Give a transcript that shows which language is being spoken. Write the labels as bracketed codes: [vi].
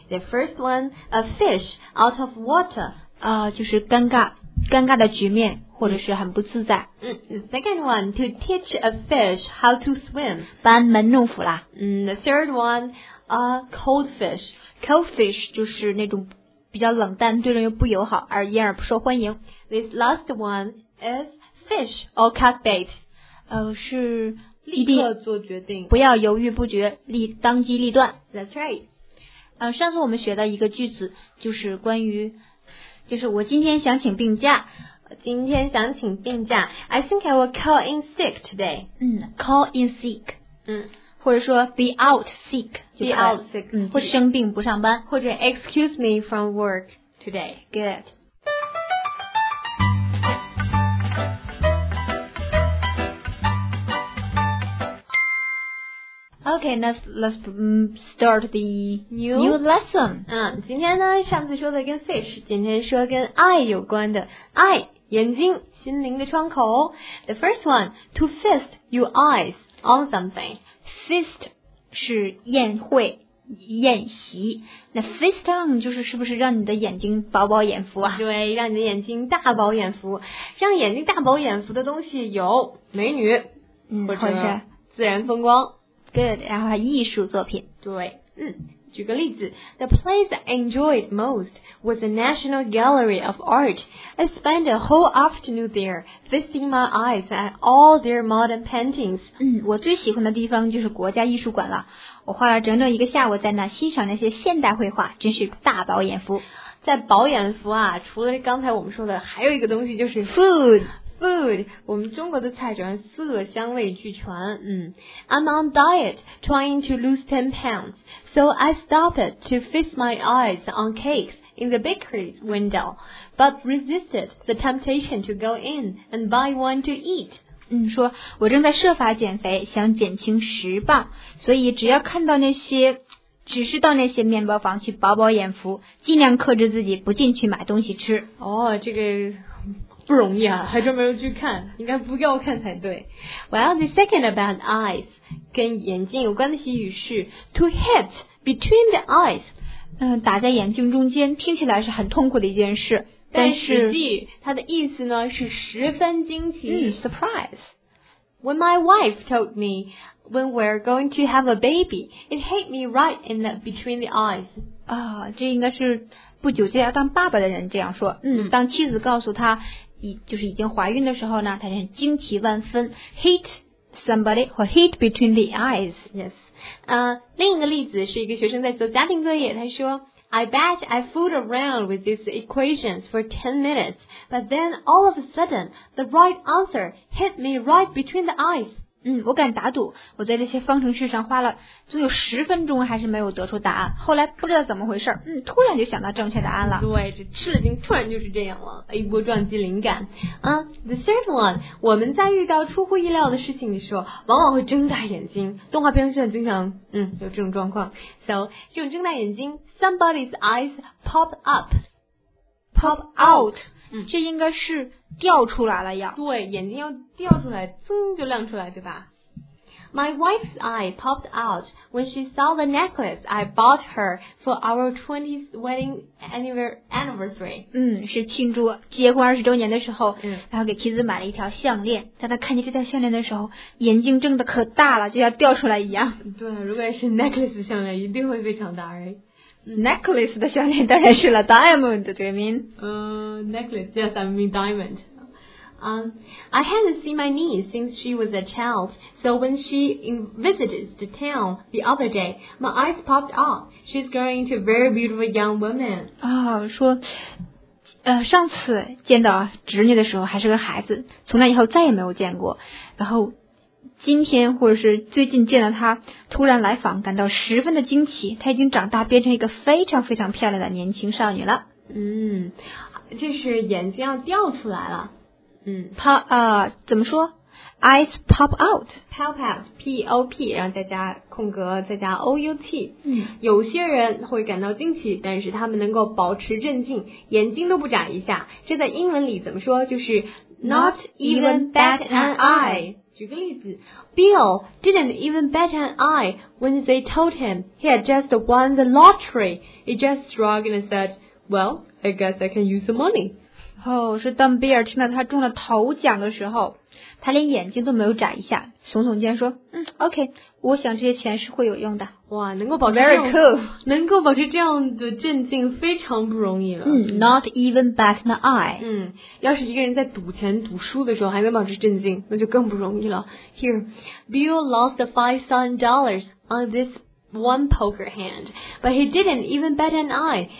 [en] The first one, a fish out of water. [zh] 就是尴尬的局面，或者是很不自在。 [en] Second one, to teach a fish how to swim. [zh] 班门弄斧啦。 [en] The third one, a cold fish. Cold fish [zh] 就是那种比较冷淡，对人又不友好，而因而不受欢迎。 [en] This last one is... Fish or cut bait? [zh] 是立刻做决定，不要犹豫不决，当机立断。 [en] That's right. [zh] 上次我们学的一个句子就是关于，就是我今天想请病假。今天想请病假。 [en] I think I will call in sick today. Call in sick. [zh] 或者说 [en] be out sick. Be out sick. [zh] 或生病不上班。或者 [en] excuse me from work today. Good. Okay, let's start the new lesson. [zh] 今天呢，上次说的跟 fish， 今天说跟 eye 有关的 eye， 眼睛，心灵的窗口。 The first one, to feast your eyes on something. Feast 是宴会、宴席。那 feast on 就是不是让你的眼睛饱饱眼福啊？对，让你的眼睛大饱眼福。让眼睛大饱眼福的东西有美女，或者自然风光。 [en] Good， [zh] 然后还艺术作品。对，举个例子 [en] ，The place I enjoyed most was the National Gallery of Art. I spent a whole afternoon there, feasting my eyes at all their modern paintings. [zh] 我最喜欢的地方就是国家艺术馆了。我花了整整一个下午在那欣赏那些现代绘画，真是大饱眼福。在饱眼福啊，除了刚才我们说的，还有一个东西就是 [en] food。 [zh] Food， 我们中国的菜主要色香味俱全。 [en] I'm on diet trying to lose 10 pounds, so I stopped to feast my eyes on cakes in the bakery's window, but resisted the temptation to go in and buy one to eat. [zh] 说我正在设法减肥，想减轻十磅，所以只要看到那些，只是到那些面包房去饱饱眼福，尽量克制自己不进去买东西吃。这个不容易啊，还专门去看，应该不要看才对。 [en] Well, the second about eyes, [zh] 跟眼睛有关的习语是 [en] to hit between the eyes. [zh] 打在眼睛中间，听起来是很痛苦的一件事，但实际它的意思呢是十分惊奇。 [en] Surprise. When my wife told me when we're going to have a baby, it hit me right in the between the eyes. [zh] 这应该是不久就要当爸爸的人这样说。当妻子告诉他就是已经怀孕的时候呢，他是惊奇万分。 [en] Hit somebody 或 hit between the eyes. Yes. [zh] 另一个例子是一个学生在做家庭作业，他说 [en] I bet I fooled around with these equations for 10 minutes, but then all of a sudden, the right answer hit me right between the eyes. [zh] 我敢打赌，我在这些方程式上花了足有十分钟还是没有得出答案，后来不知道怎么回事，突然就想到正确答案了。对，这吃了惊，突然就是这样了，一波撞击灵感。 [en] The third one, [zh] 我们在遇到出乎意料的事情的时候往往会睁大眼睛，动画片是很经常有这种状况。 [en] So, [zh] 这种睁大眼睛 [en] somebody's eyes pop up, pop out, [zh] 这应该是掉出来了呀。对，眼睛要掉出来，就亮出来，对吧？ [en] My wife's eye popped out when she saw the necklace I bought her for our 20th wedding anniversary. [zh] 是庆祝结婚二十周年的时候，然后给妻子买了一条项链。当她看见这条项链的时候，眼睛睁得可大了，就要掉出来一样。对，如果是 necklace 项链，一定会非常大，哎。 Necklace 的项链当然是了 diamond， 对吗？ [en] necklace， yes， I mean diamond。 I hadn't seen my niece since she was a child, so when she visited the town the other day, my eyes popped up. She's growing into a very beautiful young woman. [zh] 啊，说，上次见到侄女的时候还是个孩子，从那以后再也没有见过。然后今天或者是最近见到她，突然来访，感到十分的惊奇。她已经长大，变成一个非常非常漂亮的年轻少女了。嗯，这是眼睛要掉出来了。嗯 [en] ，pop [zh] 啊、怎么说 [en] ？Eyes pop [zh] out， [en] pop out， [zh] p o p， 然后再加空格，再加 o u t。嗯，有些人会感到惊奇，但是他们能够保持镇静，眼睛都不眨一下。这在英文里怎么说？就是 [en] not even bat an eye。举个例子 ，Bill didn't even bat an eye when they told him he had just won the lottery. He just shrugged and said, "Well, I guess I can use the money." [zh] 哦，是当比尔听到他中了头奖的时候，他连眼睛都没有眨一下，耸耸肩说：“嗯 ，OK， 我想这些钱是会有用的。” 哇，能够保持 [en] very cool， [zh] 能够保持这样的镇静非常不容易了。 [en] 嗯 ，not even bat an eye。 [zh] 嗯，要是一个人在赌钱赌输的时候还能保持镇静，那就更不容易了。 [en] Here， Bill lost $5,000 on this one poker hand， but he didn't even bat an eye.